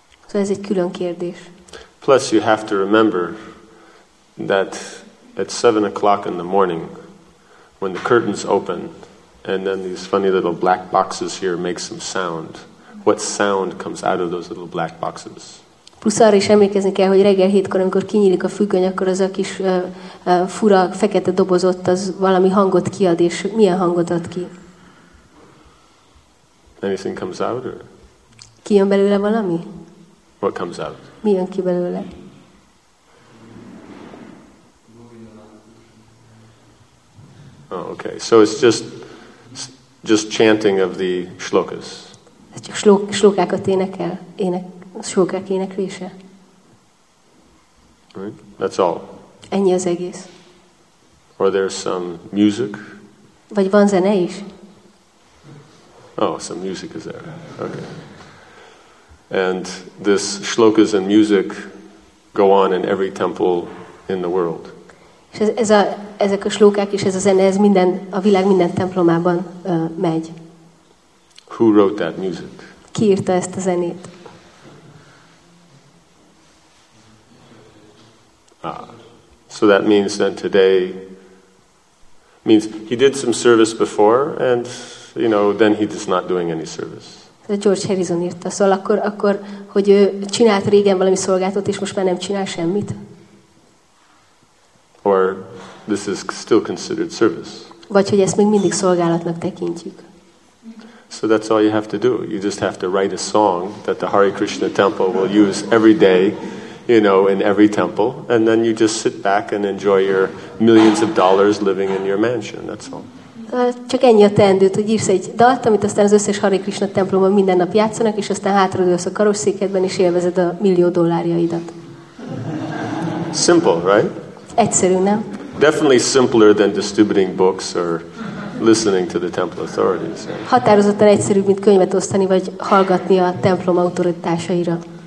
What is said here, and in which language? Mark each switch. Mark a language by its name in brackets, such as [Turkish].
[Hungarian] So ez egy külön kérdés. [English] Plus you have to remember that at 7 o'clock in the morning, when the curtains open, and then these funny little black boxes here make some sound, what sound comes out of those little black boxes? [Hungarian] Plusz arra is emlékezni kell, hogy reggel 7-kor, amikor kinyílik a függöny, akkor az a kis fura, fekete doboz ott, az valami hangot kiad, és milyen hangot ad ki? [English] Anything comes out? Or? [Hungarian] Kijön belőle valami? [English] What comes out? [Hungarian] Mi jön ki belőle? [English] Oh, okay. So it's just chanting of the shlokas. Ez csak slokákat énekel, Sokák éneklése. Right. That's all. [Hungarian] Ennyi az egész. [English] Or there's some music. [Hungarian] Vagy van zene is. [English] Oh, some music is there. Okay. And this shlokas and music go on in every temple in the world. [Hungarian] És ezek a slókák és ez a zene, ez minden a világ minden templomában megy. [English] Who wrote that music? [Hungarian] Ki írta ezt a zenét? [English] Ah, so that means then today means he did some service before, and you know then he is not doing any service. [Hungarian] George Harrison írta, szóval akkor hogy ő csinált régen valami szolgálatot, és most már nem csinál semmit. Or this is still considered service. Vagy hogy ezt még mindig szolgálatnak tekintjük. [English] So that's all you have to do. You just have to write a song that the Hare Krishna temple will use every day, you know, in every temple, and then you just sit back and enjoy your millions of dollars living in your mansion. That's all. [Hungarian] Csak ennyi a teendőt, hogy írsz egy dalt, amit aztán az összes Hare Krishna templomban minden nap játszanak, és aztán hátradőlsz a karosszékedben, és élvezed a millió dollárjaidat. [English] Simple, right? [Hungarian] Egyszerű, nem? [English] Definitely simpler than distributing books or listening to the temple authorities. [Hungarian] Határozottan egyszerűbb, mint könyvet osztani, vagy hallgatni a templom autoritásaira.